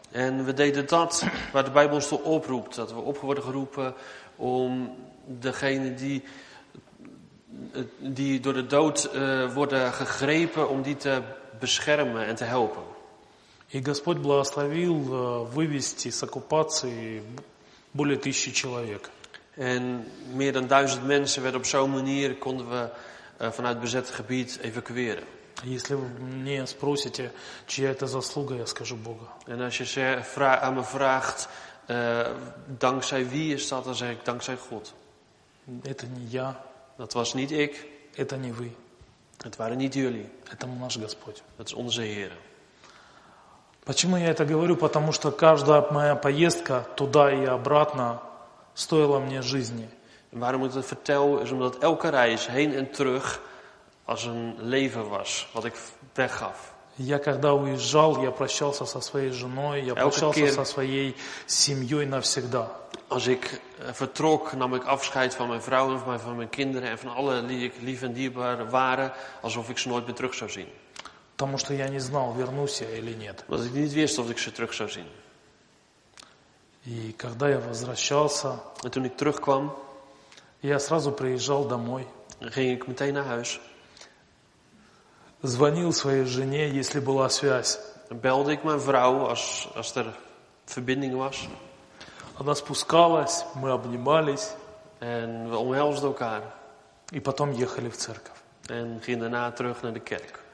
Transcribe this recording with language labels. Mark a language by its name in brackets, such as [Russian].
[Dutch] En we deden dat waar de Bijbel ons toe oproept, dat we op worden geroepen om degene die door de dood worden gegrepen, om die te beschermen en te helpen. [Russian] И Господь благословил вывести с оккупации более 1000 человек. [Dutch] En meer dan 1000 mensen werden op zo'n manier konden we vanuit bezet gebied evacueren. [Russian] Если вы мне спросите, чья это заслуга, я скажу Бога. [Dutch] En als je aan me vraagt, dankzij wie is dat, dan zeg ik dankzij God. [Russian] Это не я. [Dutch] Dat was niet ik. [Russian] Это не вы. [Dutch] Het waren niet jullie. [Russian] Это наш Господь. [Dutch] Dat is onze Heer. [Russian] Почему я это говорю? Потому что каждая моя поездка туда и обратно стоила мне жизни. [Dutch] Waarom ik dat vertel is omdat elke reis heen en terug als een leven was wat ik weggaf. [Russian] Я когда уезжал, я прощался со своей женой, я прощался со своей семьей навсегда. [Dutch] Als ik vertrok, nam ik afscheid van mijn vrouw en van mijn kinderen en van alle die ik lief en dierbaar waren, alsof ik ze nooit meer terug zou zien. [Russian] Потому что я не знал, вернусь я или нет. [Dutch] Want ik niet wist of ik ze terug zou zien. [Russian] И когда я возвращался, [Dutch] en toen ik terugkwam, [Russian] я сразу приезжал домой. [Dutch] Ging ik meteen naar huis. [Russian] Звонил своей жене, если была связь. [Dutch] Belde ik mijn vrouw als er verbinding was. [Russian] Она спускалась, мы обнимались. [Dutch] En we omhelsden elkaar. [Russian] И потом ехали в церковь. [Dutch] En ging daarna terug naar de kerk.